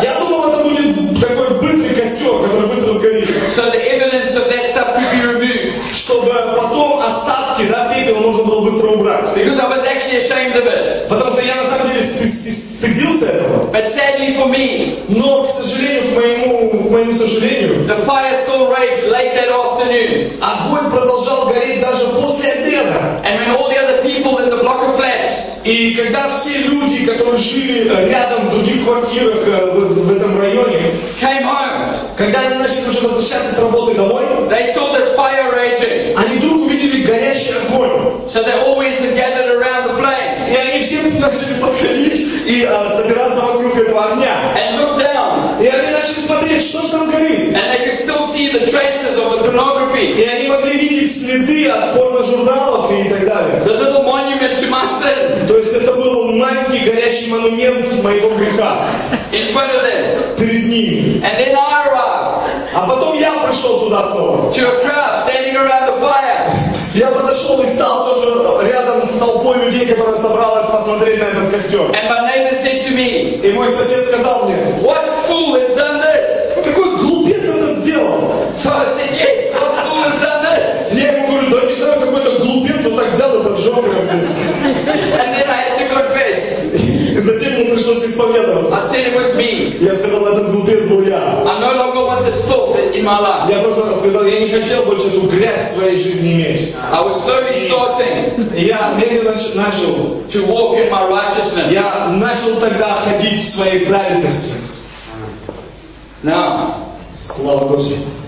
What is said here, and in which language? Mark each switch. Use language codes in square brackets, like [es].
[ru] Я думал, это будет такой быстрый костер, который быстро сгорит. [en] So the evidence of that stuff could be removed. [ru] Чтобы потом остатки, да, пепел можно было быстро убрать. [en] Because I was actually ashamed of it. [ru] Потому что я на самом деле стыдился этого. [en] But sadly for me. [ru] Но, к сожалению, к моему сожалению. [en] The fire still raged late that afternoon. [ru] Огонь продолжал гореть даже после обеда. [en] And when all the other people in the block of flats. [ru] И когда все люди, которые жили рядом в других квартирах в этом районе. [en] Came home. [ru] Когда они начали уже возвращаться с работы домой. [en] They saw this fire raging. [ru] Они вдруг увидели горящий огонь. [en] So they all went and gathered around the flames. [ru] И они все начали подходить и собираться вокруг этого огня. [en] And look down. [ru] И они начали смотреть, что же там горит. [en] And they could still see the traces of the pornography. [ru] И они могли видеть следы от порножурналов и так далее. [en] The little monument to my sin. [ru] То есть это был маленький горящий монумент моего греха. [en] In front of them. [ru] Перед ним. [en] And then I arrived. [ru] А потом я пришел туда снова. [en] To a crowd standing around the fire. [ru] Я подошел и стал тоже рядом с толпой людей, которая собралась посмотреть на этот костер. [en] And my neighbor said to me, [ru] и мой сосед сказал мне, [en] what fool has done this? [ru] Какой глупец это сделал? [en] So I said, yes, what fool has done this? [ru] Я ему говорю, да не знаю, какой-то глупец вот так взял этот жопу. [en] And then I had to confess. [ru] И затем ему пришлось исповедоваться. [en] I said, it was me. [ru] Я сказал, этот глупец был я. [en] I no longer want this filth in my life. [ru] Я просто сказал, я не хотел больше эту грязь в своей жизни иметь. [en] I was slowly starting. [ru] Я медленно начал. [en] To walk in my righteousness. [ru] Я начал тогда ходить в своей праведности. [en] Now. [ru] Слава Господу.